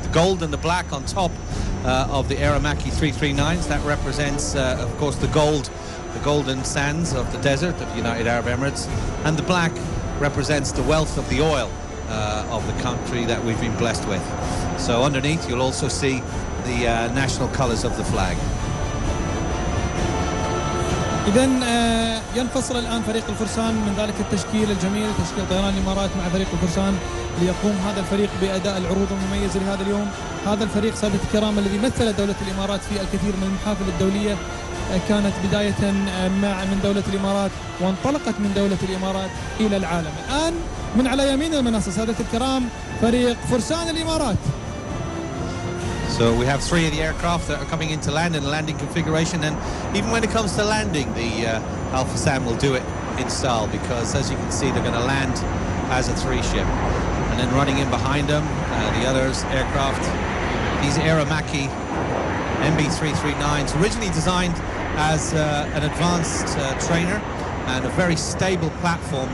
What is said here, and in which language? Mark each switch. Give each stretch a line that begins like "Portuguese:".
English: The gold and the black on top of the Aramaki 339s, that represents, of course, the gold, the golden sands of the desert of the United Arab Emirates. And the black represents the wealth of the oil of the country that we've been blessed with. So underneath you'll also see the national colors of the flag.
Arabic: إذن ينفصل الآن فريق الفرسان من ذلك التشكيل الجميل، تشكيل طيران الإمارات مع فريق الفرسان، ليقوم هذا الفريق بأداء العروض المميزة لهذا اليوم. هذا الفريق سادة الكرام الذي مثل دولة الإمارات في الكثير من المحافل الدولية، كانت بداية من دولة الإمارات وانطلقت من دولة الإمارات إلى العالم. الآن من على يمين المنصة سادة الكرام فريق فرسان الإمارات.
English: So we have three of the aircraft that are coming into land in a landing configuration, and even when it comes to landing, the Alpha Sam will do it in style, because as you can see, they're going to land as a three ship. And then running in behind them, the other aircraft, these Aramaki MB339s, originally designed as an advanced trainer and a very stable platform.